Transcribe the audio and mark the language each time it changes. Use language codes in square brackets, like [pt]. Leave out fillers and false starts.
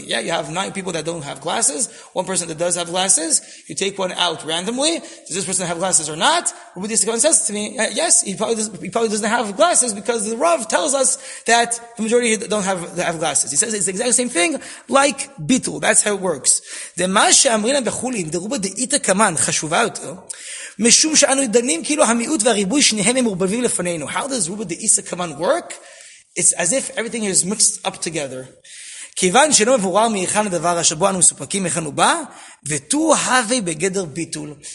[en] Yeah, you have 9 people that don't have glasses, 1 person that does have glasses, you take one out randomly, does this person have glasses or not? Ruba de Isa Kaman says to me, yes, he probably doesn't have glasses, because the Rav tells us that the majority don't have glasses. He says it's the exact same thing, like Bitul. That's how it works. [he] The Masha Amrina Bechulin, the Ruba de Ita Kaman, חשובה יותר, משום שאנו דנים כאילו המיעוט והריבוי שניהם הם מורבבים לפנינו. [en] How does Ruba de Isa Kaman work? It's as if everything is mixed up together. [he] כיוון שלא מבורר מאיכן הדבר אשר בו אנו מסופקים, איכן הוא בא, ותו הווה בגדר ביטול.